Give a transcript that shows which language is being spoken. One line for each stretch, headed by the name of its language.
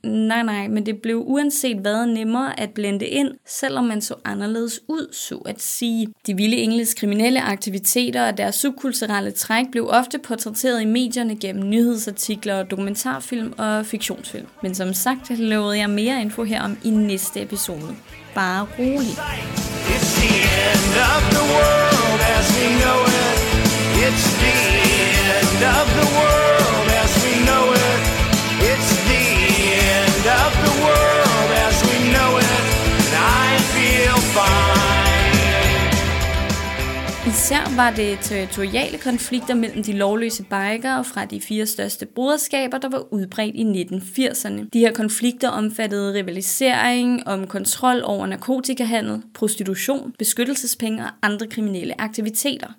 Danish: Nej, men det blev uanset hvad nemmere at blende ind, selvom man så anderledes ud, så at sige. De vilde engles kriminelle aktiviteter og deres subkulturelle træk blev ofte portrætteret i medierne gennem nyhedsartikler, dokumentarfilm og fiktionsfilm. Men som sagt lovede jeg mere info herom i næste episode. Bare rolig.
English: It's the end of the world as we know it. It's the end of the world as we know it. It's the end of the world as we know it. And I feel fine.
Danish: var det territoriale konflikter mellem de lovløse bikere fra de fire største broderskaber, der var udbredt i 1980'erne. De her konflikter omfattede rivalisering om kontrol over narkotikahandel, prostitution, beskyttelsespenge og andre kriminelle aktiviteter.